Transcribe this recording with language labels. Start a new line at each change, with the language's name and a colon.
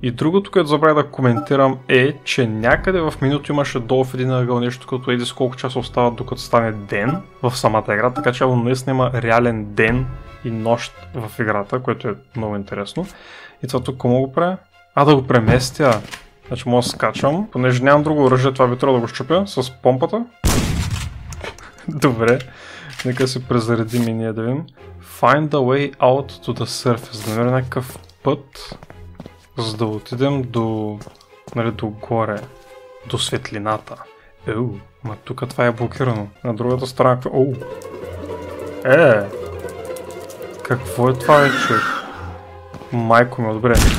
Bulgarian: И другото, което забравя да коментирам е, че някъде в минуто имаше долу в един ъгъл нещо, като еди с колко часа остава докато стане ден в самата игра, така че явно наистина има реален ден и нощ в играта, което е много интересно. И това тук мога да правя? А, да го преместя! Значи мога да скачам, понеже нямам друго оръжие, това би трябва да го щупя с помпата. Добре. Нека се презаредим и ние да видим.
English: Find a way out to the surface.
Bulgarian: Да намерим някакъв път, за да отидем до... нали, до горе. До светлината. Еу, ма тук това е блокирано. На другата страна какво... Оу! Е! Какво е това вече? Майко ми, добре.